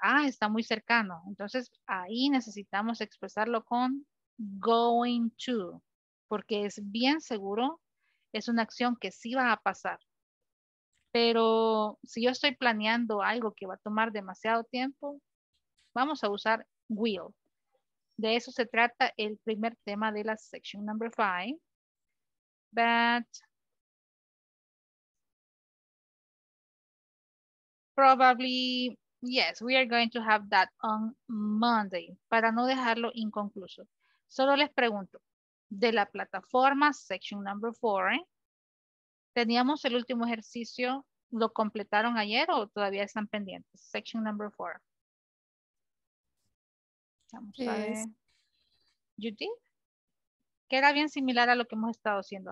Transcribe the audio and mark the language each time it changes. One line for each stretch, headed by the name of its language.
Spanish: Ah, está muy cercano. Entonces, ahí necesitamos expresarlo con going to, porque es bien seguro, es una acción que sí va a pasar. Pero si yo estoy planeando algo que va a tomar demasiado tiempo, vamos a usar will. De eso se trata el primer tema de la
English: section number 5. But probably, yes, we are going to have that on Monday,
Spanish: para no dejarlo inconcluso. Solo les pregunto, de la plataforma
English: section number 4,
Spanish: teníamos el último ejercicio, ¿lo completaron ayer o todavía están pendientes? Section number 4. Vamos a ver. Judy? Que era bien similar a lo que hemos estado haciendo.